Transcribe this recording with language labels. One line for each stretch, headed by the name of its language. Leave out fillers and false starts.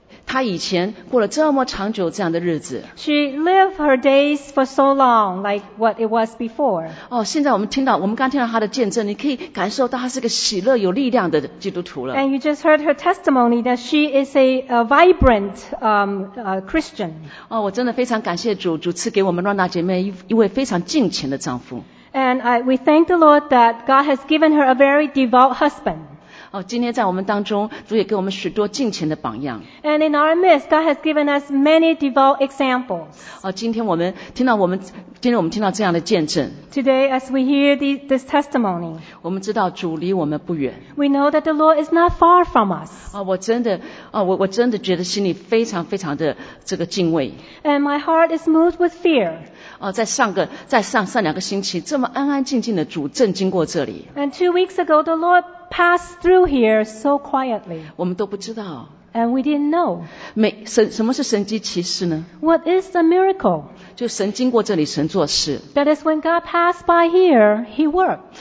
Chinese: 她以前过了这么长久这样的日子
English: She lived her days for so long like what it was before
Chinese: 现在我们刚听到她的见证你可以感受到她是个喜乐有力量的基督徒了
English: And you just heard her testimony that she is a vibrant Christian
Chinese: 我真的非常感谢主主赐给我们 Rhonda 姐妹一位非常敬虔的丈夫
English: And we thank the Lord that God has given her a very devout husband.
Chinese: 今天在我们当中，主也给我们许多敬虔的榜样。
English: And in our midst, God has given us many devout examples.
Chinese: 今天我们听到这样的见证。
English: Today, as we hear this testimony,
Chinese: 我们知道主离我们不远。
English: We know that the Lord is not far from us.
Chinese: 我真的觉得心里非常非常的这个敬畏。
English: And my heart is moved with fear.
Chinese: 在上两个星期这么安安静静的主正经过这里
English: And 2 weeks ago the Lord passed through here so quietly
Chinese: 我们都不知道
English: And we didn't know
Chinese: 什么是神迹奇事呢
English: What is the miracle
Chinese: 就神经过这里神做事
English: That is when God passed by here he worked